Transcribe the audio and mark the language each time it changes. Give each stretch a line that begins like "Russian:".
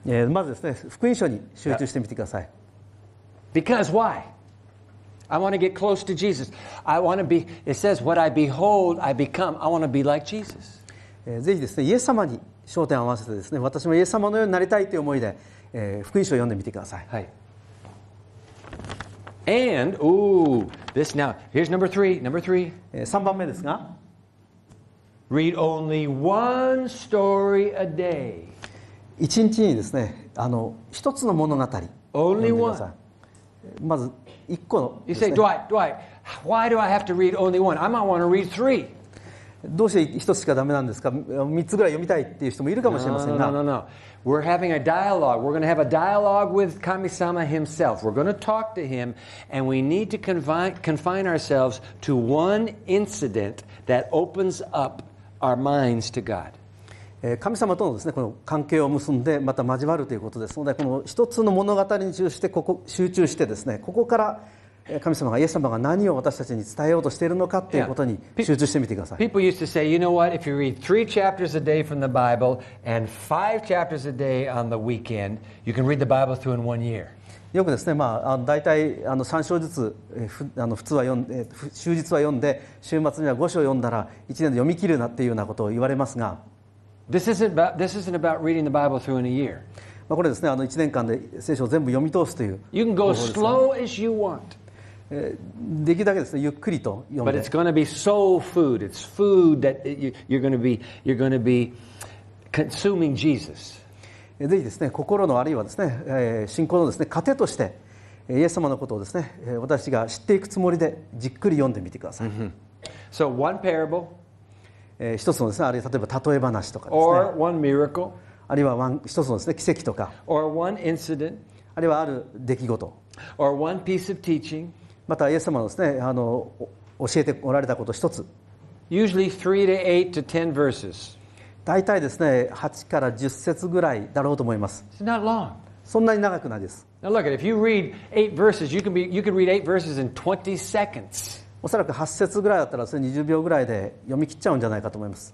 Japanese: まずですね、福音書に集中してみてください。
English: Because why? I want to get close to Jesus. I want to be, it says, what I behold, I become. I want to be like Jesus.
Japanese: ぜひですね、イエス様に焦点を合わせてですね、私もイエス様のようになりたいという思いで、福音書を読んでみてください。はい。
English: And, ooh, this now, here's number three, number three.
Japanese: 3番目ですが。
English: Read only one story a day.
Japanese: 一日にですね、あの、一つの物語。
English: Only one.
Japanese: まず、一個の。
English: You say, Dwight, why do I have to read only one? I might want to read three.
Japanese: どうして一つしかダメなんですか三つぐらい読みたいっていう人もいるかもしれませんが
English: No. We're having a dialogue. We're going to have a dialogue with Kami-sama himself. We're going to talk to him and we need to confine ourselves to one incident that opens up our minds to God.
Japanese: 神様とのですね、この関係を結んでまた交わるということですので、この一つの物語に集中してですね、ここから神様がイエス様が何を私たちに伝えようとしているのかということに集中してみてください。
English: People used to say, you know what, if you read three chapters a day from the Bible and five chapters a day on the weekend, you can read the Bible through in one year.
Japanese: よくですね、まあ、大体あの3章ずつ、あの普通は読んで、終日は読んで、週末には5章読んだら1年で読み切るなっていうようなことを言われますが。
English: This isn't about reading the Bible through in a year.
Japanese: まあこれですね、あの1年間で聖書を全部読み通すという方法ですね。
English: You can go slow as you want.
Japanese: できるだけですね、ゆっくりと読んで。
English: But it's going to be soul food. It's food that you're going to be consuming Jesus.
Japanese: ぜひですね、心のあるいはですね、信仰のですね、糧としてイエス様のことをですね、私が知っていくつもりでじっくり読んでみてください。
English: So one parable.
Japanese: 一つのですね、あるいは例えば例え話とかですね。
English: Or one miracle.
Japanese: あるいは一つのですね、奇跡とか。
English: Or one incident.
Japanese: あるいはある出来事。
English: Or one piece of teaching.
Japanese: またイエス様のですね、あの教えておられたこと一つ。
English: Usually 3 to 8 to 10 verses.
Japanese: だいたいですね、8から10節ぐらいだろうと思います。
English: It's not long.
Japanese: そんなに長くないです。
English: Now look, if you read 8 verses, you can read 8 verses in 20 seconds.
Japanese: おそらく8節ぐらいだったら、それ20秒ぐらいで読み切っちゃうんじゃないかと思います。